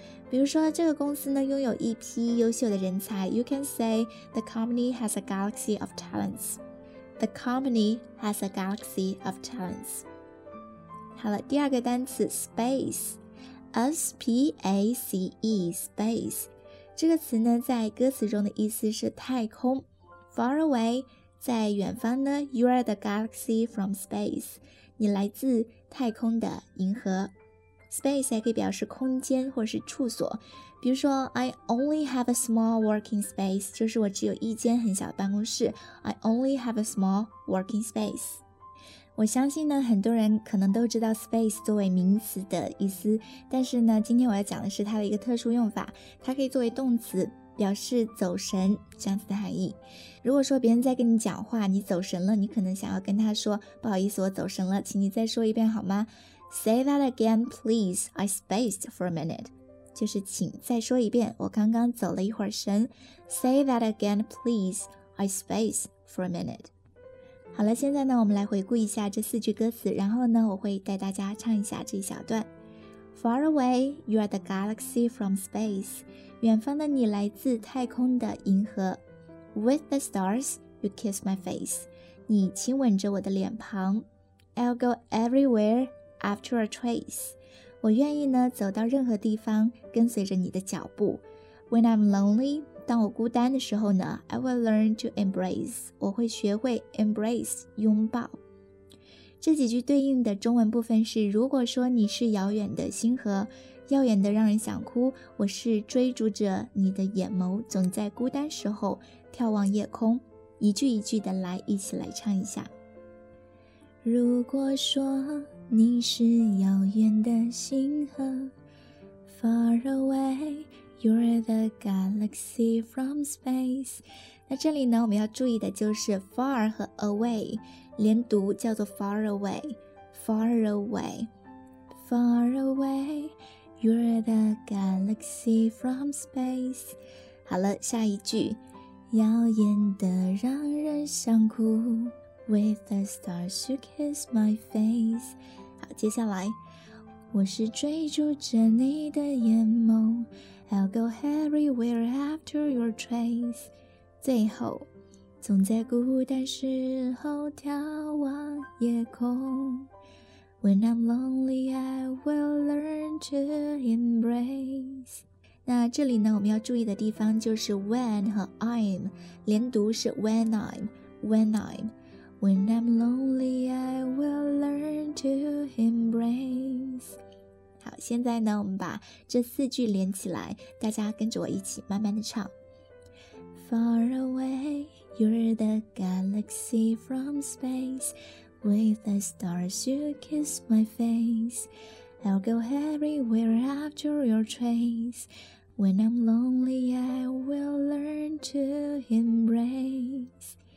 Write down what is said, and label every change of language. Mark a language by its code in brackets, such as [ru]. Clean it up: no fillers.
[zh] 比如说这个公司呢拥有一批优秀的人才， [en] You can say the company has a galaxy of talents. The company has a galaxy of talents. [zh] 好了，第二个单词 space， S-P-A-C-E space，这个词呢在歌词中的意思是太空。 [en] Far away， [zh] 在远方呢， [en] You are the galaxy from space， [zh] 你来自太空的银河。 Space 还可以表示空间或是处所，比如说 [en] I only have a small working space， [zh] 就是我只有一间很小的办公室。 [en] I only have a small working space。 [zh] 我相信呢，很多人可能都知道 space 作为名词的意思，但是呢，今天我要讲的是它的一个特殊用法，它可以作为动词，表示走神这样子的含义。如果说别人在跟你讲话，你走神了，你可能想要跟他说，不好意思，我走神了，请你再说一遍好吗？ [en] Say that again, please, I spaced for a minute. [zh] 就是请再说一遍，我刚刚走了一会儿神。 [en] Say that again, please, I spaced for a minute. [zh] 好了，现在呢，我们来回顾一下这四句歌词，然后呢，我会带大家唱一下这一小段。 [en] Far away, you are the galaxy from space. [zh] 远方的你来自太空的银河。 [en] With the stars, you kiss my face. [zh] 你亲吻着我的脸庞。 [en] I'll go everywhere after a trace. [zh] 我愿意呢，走到任何地方，跟随着你的脚步。 [en] When I'm lonely, [zh] 当我孤单的时候呢， [en] I will learn to embrace， [zh] 我会学会 [en] embrace， 拥抱。 [zh] 这几句对应的中文部分是，如果说你是遥远的星河，耀眼的让人想哭，我是追逐着你的眼眸，总在孤单时候眺望夜空。一句一句的来，一起来唱一下。如果说你是遥远的星河， [en] Far awayYou're the galaxy from space. [zh] 那这里呢，我们要注意的就是 far 和 away 连读，叫做 [en] far away, far away, far away. You're the galaxy from space. [zh] 好了，下一句，耀眼的让人想哭。 [en] With the stars, you kiss my face. [zh] 好，接下来。我是追逐着你的眼眸， [en] I'll go everywhere after your trace. [zh] 最后，总在孤单时候眺望夜空。 [en] When I'm lonely, I will learn to embrace. [zh] 那这里呢，我们要注意的地方就是 when 和 I'm 连读是 [en] when I'm. When I'm lonely, I will learn to embrace. [zh] 好，现在呢，我们把这四句连起来，大家跟着我一起慢慢的唱。 [en] Far away, you're the galaxy from space. With the stars, you kiss my face. I'll go everywhere after your trace. When I'm lonely, I will learn to embrace.